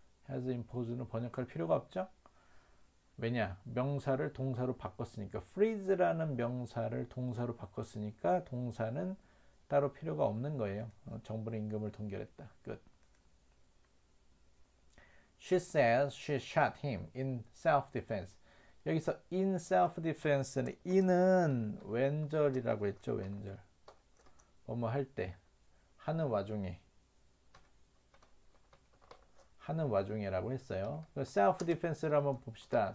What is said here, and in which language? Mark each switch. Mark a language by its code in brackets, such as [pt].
[ko] has imposed는 번역할 필요가 없죠? 왜냐? 명사를 동사로 바꿨으니까. freeze라는 명사를 동사로 바꿨으니까 동사는 따로 필요가 없는 거예요. 정부는 임금을 동결했다. 끝. [en] She says she shot him in self-defense. [ko] 여기서 in self-defense는 in은 when절이라고 했죠, when절. 뭐뭐 할 때, 하는 와중에라고 했어요. self-defense를 한번 봅시다.